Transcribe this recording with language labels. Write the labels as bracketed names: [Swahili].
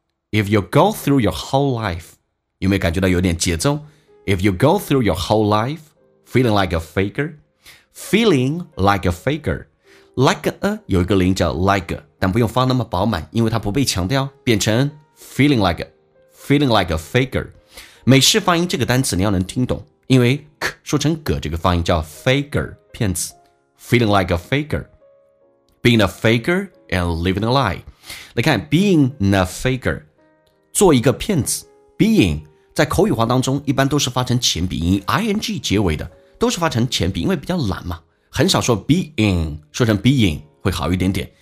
[English] If you go through your whole life, [Chinese] 有没有感觉到有点节奏？ [English] If you go through your whole life feeling like a faker, feeling like a faker, like a [Chinese] 有一个零叫 [English] like, [Chinese] 但不用发那么饱满，因为它不被强调，变成 [English] feeling like a,Feeling like a faker. [Chinese] 美式发音这个单词你要能听懂，因为 k 说成 g 这个发音叫 faker, 骗子。 [English] Feeling like a faker. Being a faker and living a lie. [Chinese] 来看 [English] being a faker. [Chinese] 做一个骗子。 Being, 在口语化当中一般都是发成前鼻音 ,ing 结尾的都是发成前鼻，因为比较懒嘛。很少说 being, 说成 being 会好一点点。